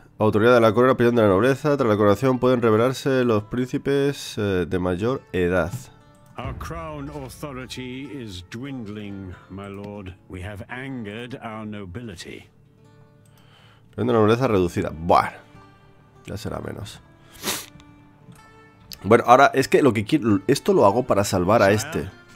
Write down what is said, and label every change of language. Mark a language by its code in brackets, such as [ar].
[es] Autoridad de la corona, opinión de la nobleza. Tras la coronación pueden revelarse los príncipes de mayor edad. [en] Our crown authority is dwindling, my lord. We have angered our nobility. [es] Opinión de la nobleza reducida. Buah. Ya será menos. Bueno, ahora es que lo que quiero. Esto lo hago para salvar a este.